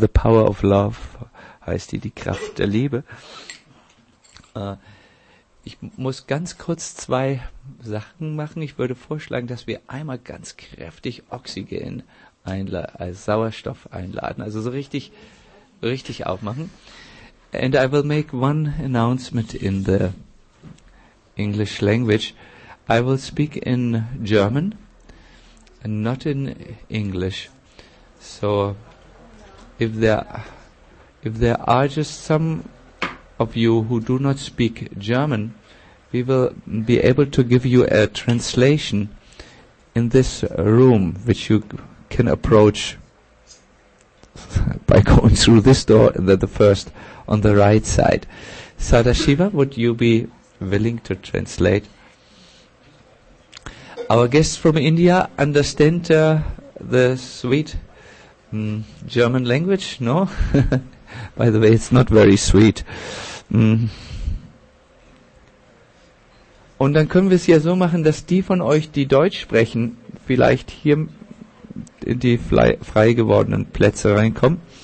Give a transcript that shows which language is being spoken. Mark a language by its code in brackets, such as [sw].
[en] The Power of Love [de] heißt die Kraft der Liebe. Ich muss ganz kurz zwei Sachen machen. Ich würde vorschlagen, dass wir einmal ganz kräftig Oxygen als Sauerstoff einladen. Also so richtig, richtig aufmachen. [en] And I will make one announcement in the English language. I will speak in German and not in English. So if there are just some of you who do not speak German, we will be able to give you a translation in this room, which you can approach by going through this door and then the first on the right side. Sadashiva, would you be willing to translate? Our guests from India understand the sweet German language, no? By the way, it's not very sweet. [de] Und dann können wir es ja so machen, dass die von euch, die Deutsch sprechen, vielleicht hier in die frei gewordenen Plätze reinkommen.